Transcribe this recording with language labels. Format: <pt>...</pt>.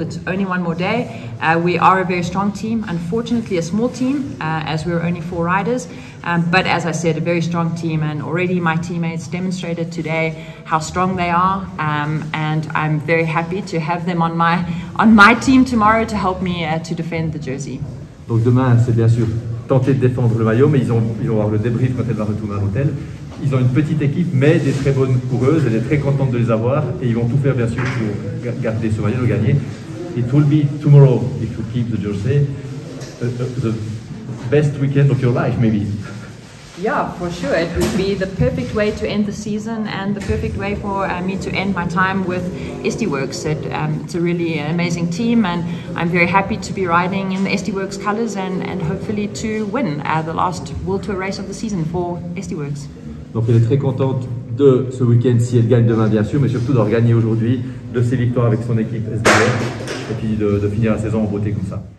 <en>It's only one more day. We are a very strong team, unfortunately a small team, as we're only four riders. But as I said, a very strong team, and already my teammates demonstrated today how strong they are. And I'm very happy to have them on my team tomorrow to help me to defend the jersey.</en> <fr>Donc demain, c'est bien sûr tenter de défendre le maillot, mais ils vont avoir le débrief quand elle va retourner à l'hôtel. Ils ont une petite équipe, mais des très bonnes coureuses, elle est très contente de les avoir, et ils vont tout faire bien sûr pour garder ce maillot, le gagner.</fr> <en>It will be tomorrow, if you keep the jersey, the best weekend of your life, maybe. Yeah, for sure. It would be the perfect way to end the season and the perfect way for me to end my time with Esti Works. It's a really amazing team, and I'm very happy to be riding in the Esti Works colors and hopefully to win the last World Tour race of the season for Esti Works.</en> <fr>Donc elle est très contente de ce week-end si elle gagne demain, bien sûr, mais surtout d'avoir gagné aujourd'hui, de ses victoires avec son équipe SDR, et puis de finir la saison en beauté comme ça.</fr>